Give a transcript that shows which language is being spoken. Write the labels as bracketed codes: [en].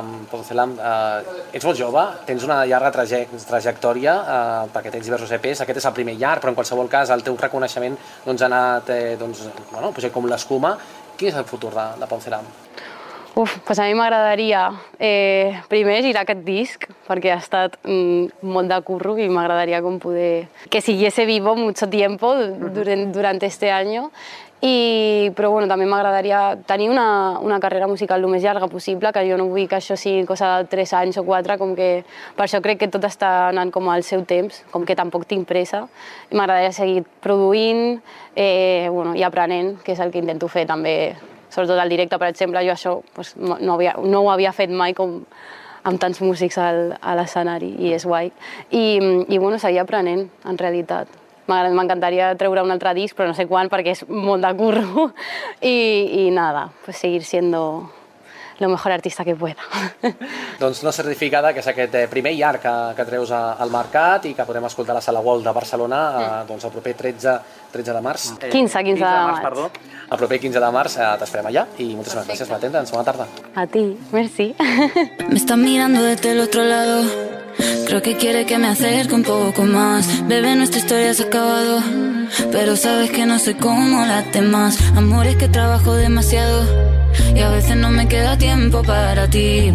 [ca] Poncelam, ets molt jove, tens una llarga trajectòria perquè tens diversos EPs, aquest és el primer llarg, però en qualsevol cas el teu reconeixement doncs, ha anat pujant com l'escuma. Quin és el futur de Poncelam? Uf, pues a mi m'agradaria primer girar aquest disc, perquè ha estat molt de curro i m'agradaria com poder... [es] que siguiese vivo mucho tiempo durant este año. [ca] Però bueno, també m'agradaria tenir una carrera musical el més llarga possible, que jo no vull que això sigui cosa de 3 anys o 4, com que per això crec que tot està anant com al seu temps, com que tampoc tinc pressa. M'agradaria seguir produint bueno, i aprenent, que és el que intento fer també... sobretot al directe, per exemple, jo això pues, no ho havia fet mai com amb tants músics a l'escenari, i és guai. I bueno, seguir aprenent, en realitat. M'encantaria treure un altre disc, però no sé quan, perquè és molt de curro. [es] I nada, pues seguir siendo lo mejor artista que pueda. [ca] Doncs No Certificada, que és aquest primer llarg que treus al mercat i que podem escoltar a la Sala Wall de Barcelona doncs el proper 13 de març. 15 de març, perdó. El proper 15 de març t'esperem allà i moltíssimes gràcies per atendre'ns. Bona tarda. [es] A ti, merci. Me están mirando desde el otro lado. Creo que quiere que me acerque un poco más. Bebé, nuestra historia se ha acabado. Pero sabes que no soy como las demás. Amor, es que trabajo demasiado. Y a veces no me queda tiempo para ti.